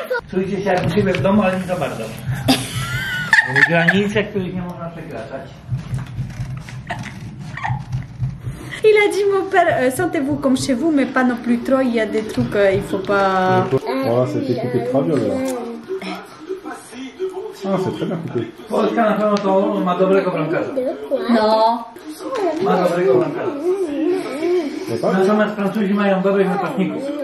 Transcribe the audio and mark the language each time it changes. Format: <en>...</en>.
<pl>Czujcie się jak u siebie w domu, ale nie za bardzo. W granicach, których nie można przekraczać.</pl> <fr>Il a dit mon père, sentez-vous comme chez vous, mais pas non plus trop, il y a des trucs, il faut pas... Oh, c'était coupé très bien, là. Ah, oh, c'est très bien coupé.</fr> <pl>Polska, na pewno, to ma dobrego bramkarza. No. Ma dobrego bramkarza. Natomiast Francuzi mają dobrych napastników.</pl>